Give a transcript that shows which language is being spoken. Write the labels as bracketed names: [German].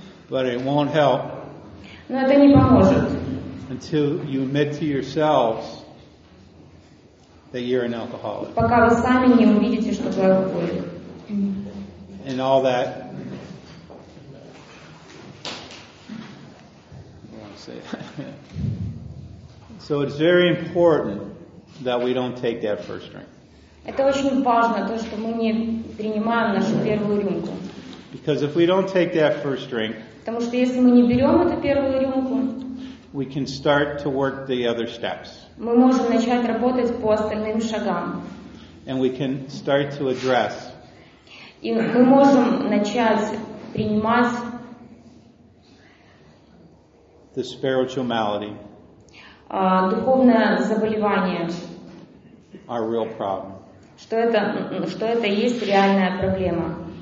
[English] But it won't help. [Russian] Но это не поможет. [English] Until you admit to yourselves that you're an alcoholic. [Russian] Пока вы сами не увидите, что вы алкоголик. [English] And all that. So it's very important that we don't take that first drink. [Russian] Это очень важно, то, что мы не принимаем нашу первую рюмку. [English] Because if we don't take that first drink, [Russian] потому что если мы не берем эту первую рюмку, [English] we can start to work the other steps. [Russian] Мы можем начать работать по остальным шагам. [English] And we can start to address. [Russian] И мы можем начать принимать [English] the spiritual malady. [Russian] Духовное заболевание. [English] Our real problem. [Russian] Что это есть реальная проблема.